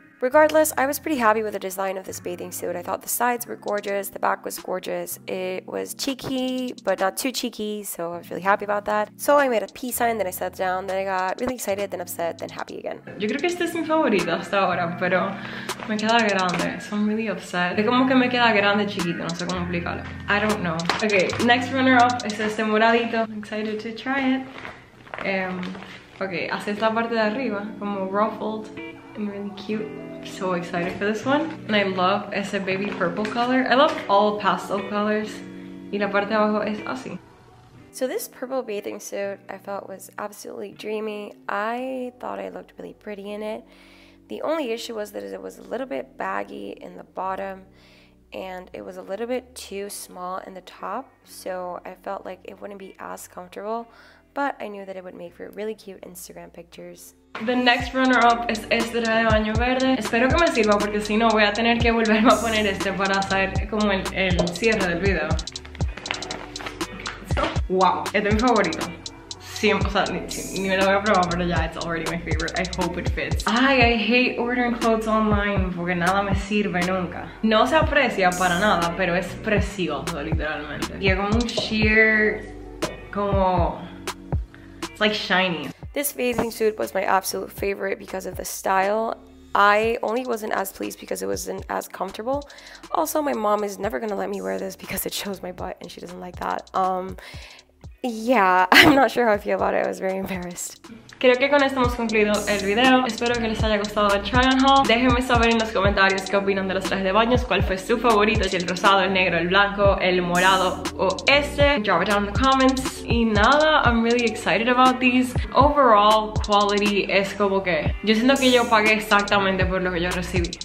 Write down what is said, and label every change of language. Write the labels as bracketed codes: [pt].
[en] Regardless, I was pretty happy with the design of this bathing suit. I thought the sides were gorgeous, the back was gorgeous. It was cheeky, but not too cheeky, so I was really happy about that. So I made a peace sign, then I sat down, then I got really excited, then upset, then happy again. [es] Yo creo que este es mi favorito hasta ahora, pero me queda grande, [en] so I'm really upset. [es] De como que me queda grande chiquito, no sé cómo explicarlo. [en] I don't know. Okay, next runner up [es] es este moradito. [en] I'm excited to try it. [es] Okay, así es la parte de arriba, como [en] ruffled. Really cute. So excited for this one. And I love [es] ese [en] baby purple color. I love all pastel colors. [es] Y la parte de abajo es así. [en] So this purple bathing suit I felt was absolutely dreamy. I thought I looked really pretty in it. The only issue was that it was a little bit baggy in the bottom and it was a little bit too small in the top, so I felt like it wouldn't be as comfortable, but I knew that it would make for really cute Instagram pictures. The next runner up is [es] este traje de baño verde. Espero que me sirva porque si no voy a tener que volverme a poner este para hacer como el cierre del video. Wow, este es mi favorito. Sí, o sea, ni me lo voy a probar, pero ya, [en] it's already my favorite. I hope it fits. Ay, I hate ordering clothes online [es] porque nada me sirve nunca. No se aprecia para nada, pero es precioso, literalmente. Y es como un [en] sheer, [es] como, [en] it's like shiny. This bathing suit was my absolute favorite because of the style. I only wasn't as pleased because it wasn't as comfortable. Also, my mom is never gonna let me wear this because it shows my butt and she doesn't like that. Yeah, I'm not sure how I feel about it. I was very embarrassed. [es] Creo que con esto hemos concluido el video. Espero que les haya gustado el try on haul. Déjenme saber en los comentarios qué opinan de los trajes de baños, cuál fue su favorito, si el rosado, el negro, el blanco, el morado o ese. [en] Drop it down in the comments. [es] Y nada, [en] I'm really excited about these. Overall quality [es] es como que yo siento que yo pagué exactamente por lo que yo recibí.